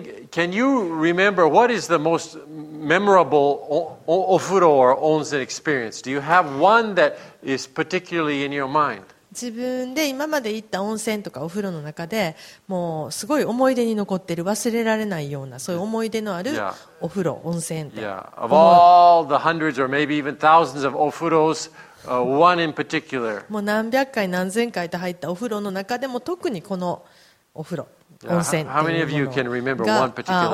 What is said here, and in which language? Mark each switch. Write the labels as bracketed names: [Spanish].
[English] Can you remember what is the most memorable ofuro or onsen experience? Do you have one that is particularly in your mind? [Japanese] 自分で今まで行った温泉とかお風呂の中で、もうすごい思い出に残っている、忘れられないようなそういう思い出のあるお風呂、温泉って。 [English] Of all the hundreds or maybe even thousands of ofuros, one in particular. [Japanese] もう何百回何千回と入ったお風呂の中でも特にこのお風呂。 [English] How many of you can remember one particular one?